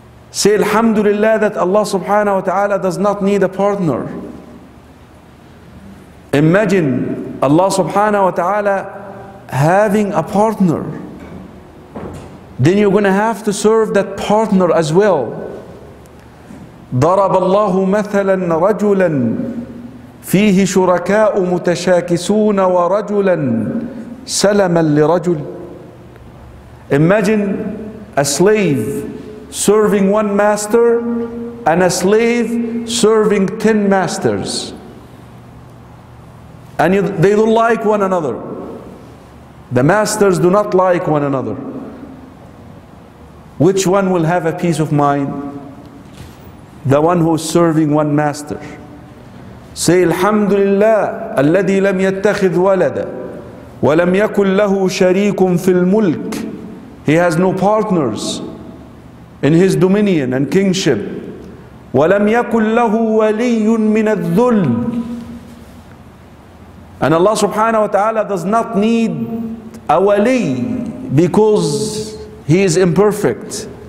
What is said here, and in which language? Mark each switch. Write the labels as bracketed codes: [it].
[en] Say Alhamdulillah that Allah subhanahu wa ta'ala does not need a partner. Imagine Allah subhanahu wa ta'ala having a partner. then you're going to have to serve that partner as well. [ar] ضرب الله مثلا رجلا فيه شركاء متشاكسون ورجلا سلما لرجل. [en] Imagine a slave serving one master and a slave serving 10 masters. And they don't like one another. The masters do not like one another. Which one will have a peace of mind? The one who is serving one master. Say Alhamdulillah, [ar] الذي لم يتخذ ولدا ولم يكن له شريك في الملك. [en] He has no partners in his dominion and kingship. [ar] ولم يكن له ولي من الذل. [en] And Allah subhanahu wa ta'ala does not need a wali because he is imperfect.